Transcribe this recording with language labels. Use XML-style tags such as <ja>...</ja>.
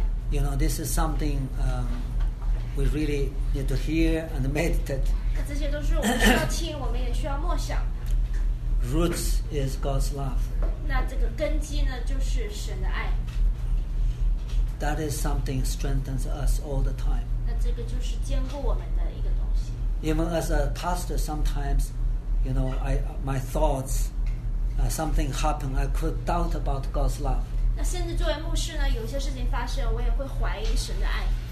<en>You know, this is something we really need to hear and meditate.</en> <zh>这些都是我们需要听, 我们也需要默想。</zh> <en>Roots is God's love.</en> <zh>那这个根基呢, 就是神的爱。</zh> <en>That is something that strengthens us all the time.</en> <zh>那这个就是坚固我们的一个东西。</zh> <en>Even as a pastor, sometimes, you know, my thoughts, something happened, I could doubt about God's love.</en> <zh>那甚至作为牧师呢, 有些事情发生, 我也会怀疑神的爱。</zh>